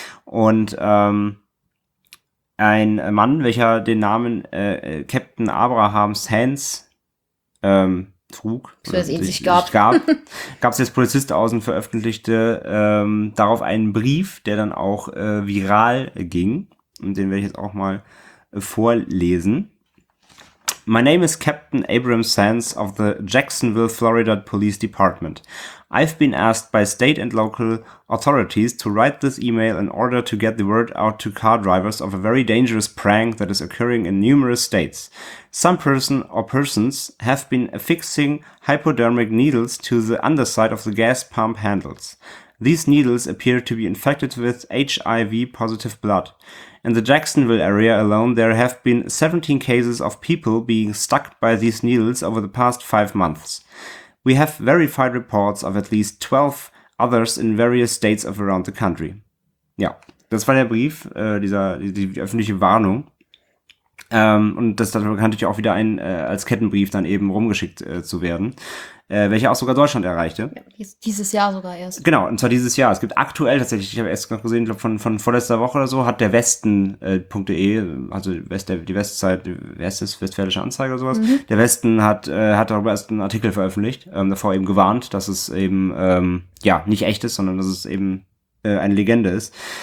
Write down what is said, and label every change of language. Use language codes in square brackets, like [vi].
[de] Und ein Mann, welcher den Namen Captain Abraham Sands trug, gab es jetzt Polizist aus und veröffentlichte darauf einen Brief, der dann auch viral ging. Und den werde ich jetzt auch mal vorlesen. [en] My name is Captain Abraham Sands of the Jacksonville, Florida Police Department. I've been asked by state and local authorities to write this email in order to get the word out to car drivers of a very dangerous prank that is occurring in numerous states. Some person or persons have been affixing hypodermic needles to the underside of the gas pump handles. These needles appear to be infected with HIV-positive blood. In the Jacksonville area alone, there have been 17 cases of people being stuck by these needles over the past 5 months. We have verified reports of at least 12 others in various states of around the country. [de] Ja, das war der Brief, die öffentliche Warnung. Und das hat bekanntlich auch wieder ein als Kettenbrief dann eben rumgeschickt zu werden, welcher auch sogar Deutschland erreichte. Ja, dieses Jahr sogar erst. Genau, und zwar dieses Jahr. Es gibt aktuell tatsächlich, ich habe erst gesehen, ich glaube von vorletzter Woche oder so, hat der Westen.de, also Westfälische Anzeige oder sowas, der Westen hat darüber erst einen Artikel veröffentlicht, davor eben gewarnt, dass es eben nicht echt ist, sondern dass es eben eine Legende ist.